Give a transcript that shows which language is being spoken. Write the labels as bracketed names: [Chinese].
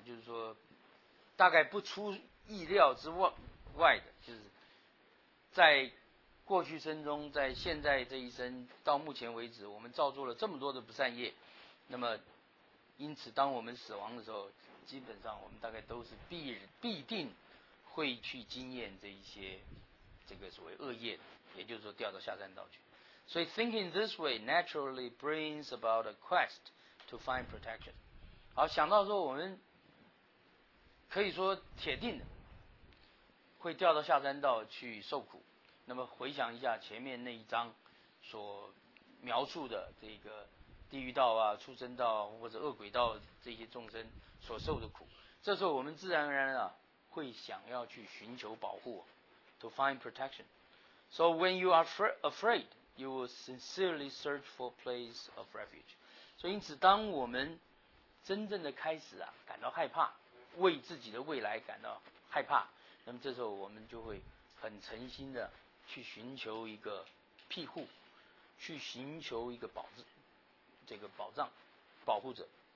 [Chinese] 就是说，大概不出意料之外的，就是在过去生中，在现在这一生，到目前为止，我们造作了这么多的不善业。那么，因此，当我们死亡的时候，基本上我们大概都是必定会去经验这一些这个所谓恶业的。也就是说掉到下山道去。 [English] 所以 thinking this way naturally brings about a quest to find protection. [Chinese] 好，想到说我们可以说铁定的会掉到下山道去受苦。那么回想一下前面那一章所描述的这个地狱道啊、畜生道或者恶鬼道这些众生所受的苦。这时候我们自然而然啊会想要去寻求保护 , [English] to find protection. So when you are afraid, you will sincerely search for a place of refuge. [Chinese] 所以因此当我们真正的开始啊感到害怕，为自己的未来感到害怕，那么这时候我们就会很诚心的去寻求一个庇护，去寻求一个保障保护者。